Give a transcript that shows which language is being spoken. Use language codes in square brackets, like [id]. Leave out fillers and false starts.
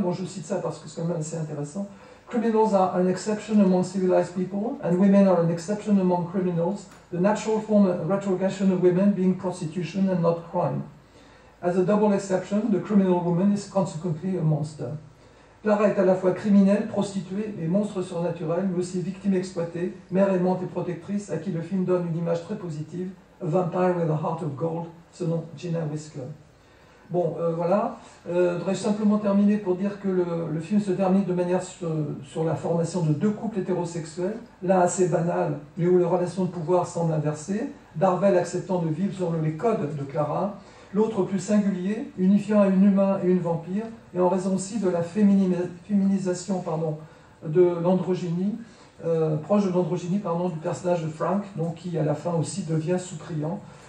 [fr] Bon, je cite ça parce que c'est quand même assez intéressant. [en] Criminals are an exception among civilized people, and women are an exception among criminals, the natural form of retrogression of women being prostitution and not crime. As a double exception, the criminal woman is consequently a monster. [fr] Clara est à la fois criminelle, prostituée et monstre surnaturel, mais aussi victime exploitée, mère aimante et protectrice, à qui le film donne une image très positive, [en] a vampire with a heart of gold, [fr] selon Gina Wisker. Bon, voilà. Je voudrais simplement terminer pour dire que le film se termine de manière sur la formation de deux couples hétérosexuels, l'un assez banal, mais où les relations de pouvoir semblent inversées, Darvel acceptant de vivre selon les codes de Clara, l'autre plus singulier, unifiant un humain et une vampire, et en raison aussi de la féminisation de l'androgynie, proche de l'androgynie du personnage de Frank, donc qui à la fin aussi devient sous-criant.